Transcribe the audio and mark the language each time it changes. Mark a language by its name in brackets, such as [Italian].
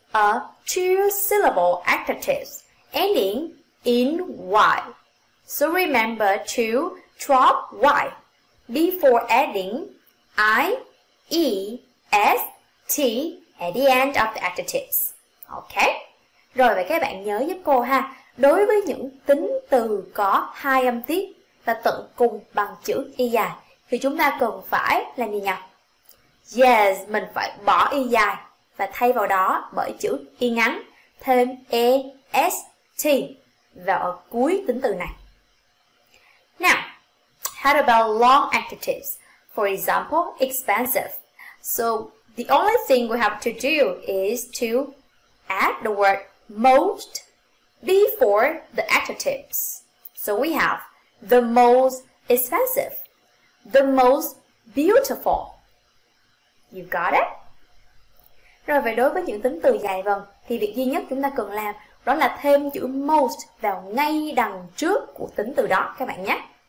[English] are two-syllable adjectives ending in Y. So remember to drop Y before adding I, E, S, T at the end of the adjectives. Okay? [Vietnamese] Rồi vậy các bạn nhớ giúp cô ha. Đối với những tính từ có hai âm tiết là tận cùng bằng chữ Y dài thì chúng ta cần phải làm gì nhỉ? Yes, mình phải bỏ Y dài và thay vào đó bởi chữ Y ngắn thêm E, S, T vào ở cuối tính từ này. [English] Now, how about long adjectives? For example, expensive. So, the only thing we have to do is to add the word most before the adjectives. So, we have the most expensive, the most beautiful. You got it? [Vietnamese] Rồi, về đối với những tính từ dài vần, thì việc duy nhất chúng ta cần làm đó là thêm chữ most vào ngay đằng trước của tính từ đó các bạn nhé.